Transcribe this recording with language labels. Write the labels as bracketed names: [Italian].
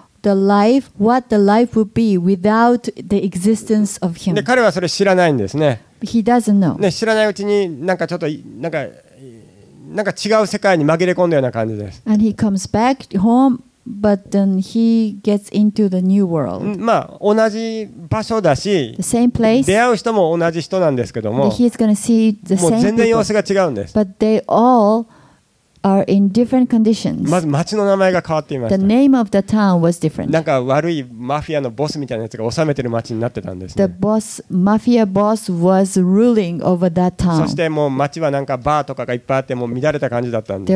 [English] The life, what the life would be without the existence of him. [Japanese] で、彼はそれ知らないんですね。 [English] He doesn't know. [Japanese] ね、知らないうちになんかちょっとなんか違う世界に紛れ込んだような感じです。 [English] And he comes back home, but then he gets into the new world. [Japanese] まあ同じ場所だし、 [English] the same place. [Japanese] 出会う人も同じ人なんですけども、 [English] he's gonna see the same people. [Japanese] もう全然様子が違うんです。 [English] But they all. Are in different conditions. [Japanese] まず町の名前が変わっていました。 [English] The name of the town was different. [Japanese] なんか悪いマフィアのボスみたいなやつが治めてる町になってたんですね。 [English] The boss, mafia boss was ruling over that town. [Japanese] そしてもう町はなんかバーとかがいっぱいあってもう乱れた感じだったんです。